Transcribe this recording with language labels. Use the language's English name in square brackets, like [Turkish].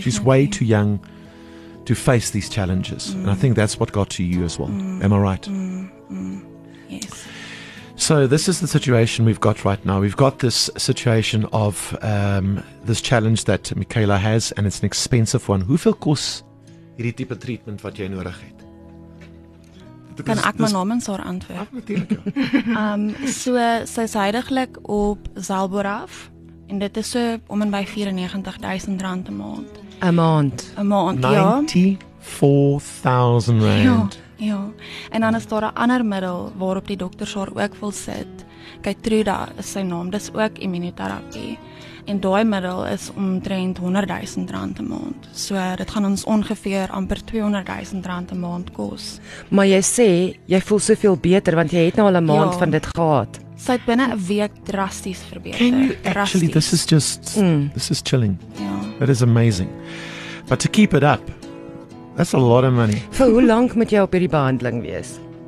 [English] She's way too young to face these challenges. And I think that's what got to you as well. Am I right? Yes. So this is the situation we've got right now. We've got this situation of this challenge that Michaela has, and it's an expensive one. [Afrikaans] Hoeveel kos hierdie tipe treatment wat jy nodig het? Kan ek my namens haar antwoord? Natuurlik. So sy is huidiglik op Zalboraf, en dit is so om en by R94,000 'n maand. 'N maand. 'N maand, ja. R94,000. Ja, en dan is daar 'n ander middel waarop die dokters haar ook wil sit. Keytruda is sy naam, dis ook immunoterapie. En daai middel is omtrent R100,000 'n maand. So dit gaan ons ongeveer amper R200,000 'n maand kos. Maar jy sê, jy voel soveel beter, want jy het nou al 'n maand van dit gehad. Sy het binne 'n week drasties verbeter. [English] Can you actually, this is just, this is chilling. [Afrikaans] Ja. [English] That is amazing. But to keep it up, that's a lot of money. For how long [Afrikaans] moet jy op hierdie behandeling wees?